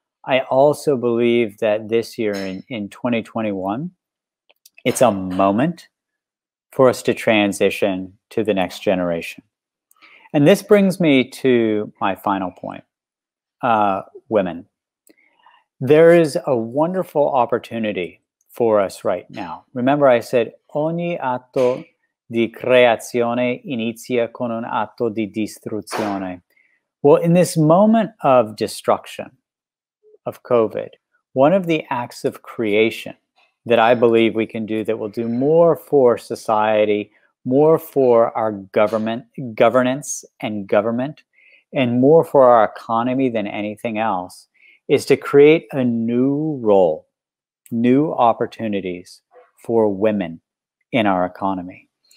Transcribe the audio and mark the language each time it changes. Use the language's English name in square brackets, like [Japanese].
[English] I also believe that this year in 2021, it's a moment for us to transition to the next generation. And this brings me to my final point, women. There is a wonderful opportunity for us right now. Remember, I said, [Italian] ogni atto di creazione inizia con un atto di distruzione. [English] Well, in this moment of destruction of COVID, one of the acts of creation that I believe we can do that will do more for society, more for our governance and government, and more for our economy than anything else, is to create a new role, new opportunities for women in our economy.